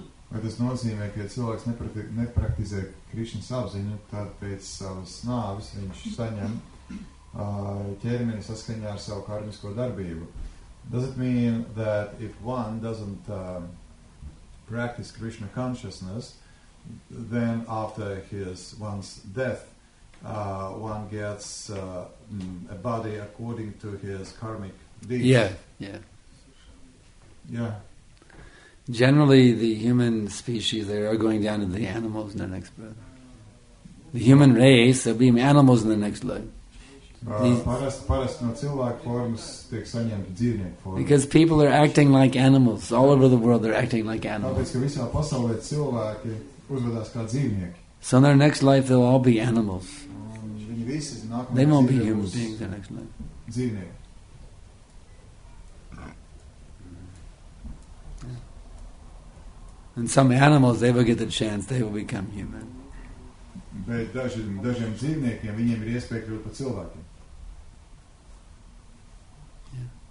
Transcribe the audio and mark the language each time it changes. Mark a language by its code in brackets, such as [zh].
[lv] Vai tas nozīmē, ka ja cilvēks nepraktizē Krišņas apziņu, tad pēc savas nāves viņš saņem ķermeni saskaņā ar savu karmisko darbību? [en] Does it mean that if one doesn't practice Krishna consciousness, then after one's death, one gets a body according to his karmic deeds? Yeah. Generally, the human species, they are going down to the animals in the next birth. The human race, they'll be animals in the next life. [lv] Parasti no cilvēku formas tiek saņemta dzīvnieku formas. [en] Because people are acting like animals. All over the world, they're acting like animals. [lv] Tāpēc, ka visā pasaulē cilvēki uzvedās kā dzīvnieki. [en] So in their next life, they'll all be animals. [lv] Viņi visi nākamā dzīvē. [en] They won't be human beings in the next life. [lv] Dzīvnieki. [en] And some animals, they will get the chance, they will become human. [lv] Bet dažiem dzīvniekiem, viņiem ir iespēja kļūt par cilvēkiem.